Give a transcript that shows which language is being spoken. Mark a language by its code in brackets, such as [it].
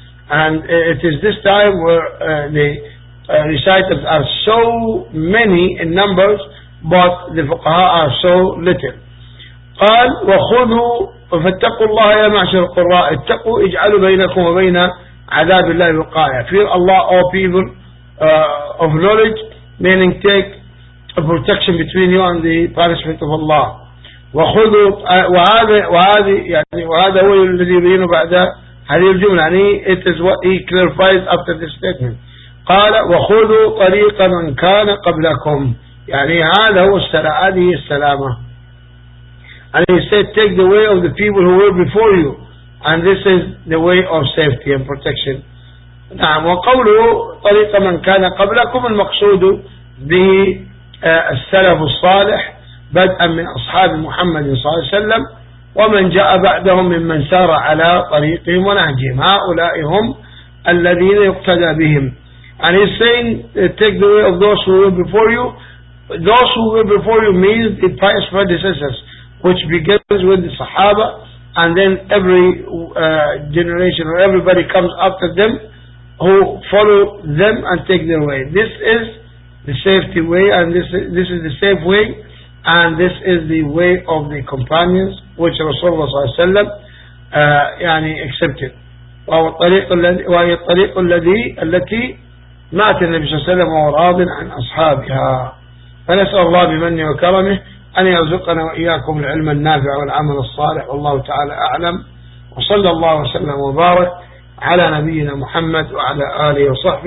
[en] And it is this time where the reciters are so many in numbers, but the fuqaha are so little. [ar] قال وَخُذُوا فَاتَّقُوا اللَّهَ يَا مَعْشَرَ الْقُرَّاءِ اتَّقُوا اجْعَلُوا بَيْنَكُمْ وَبَيْنَ عذاب الله وقائع. [en] Fear Allah, O people of knowledge, meaning take a protection between you and the punishment of Allah. [ar] وخذوا وهذا هو الذي يبينه بعد هذه الجملة. [en] يعني it is what he clarifies after this statement. [ar] قال وخذوا طريقا من كان قبلكم. يعني هذا هو السلامة. [en] And he said, take the way of the people who were before you. And this is the way of safety and protection. [ar] نعم. وقوله طريق من كان قبلكم المقصود به السلف الصالح بدءا من أصحاب محمد صلى الله عليه وسلم ومن جاء بعدهم ممن سار على طريقهم ونهجهم. هؤلاء هم الذين يقتدى بهم. [en] And he's saying take the way of those who were before you. Those who were before you means the pious predecessors, which begins with the Sahaba, and then every generation or everybody comes after them who follow them and take their way. This is the safety way, and this is the safe way, and this is the way of the companions which Rasulullah [ar] صلى الله عليه وسلم يعني [en] accepted. [ar] وهي الطريق التي مات النبي صلى الله عليه وسلم وراض عن أصحابها. فنسأل الله بمنه وكرمه أن يرزقنا وإياكم العلم النافع والعمل الصالح. والله تعالى أعلم. وصلى الله وسلم وبارك على نبينا محمد وعلى آله وصحبه.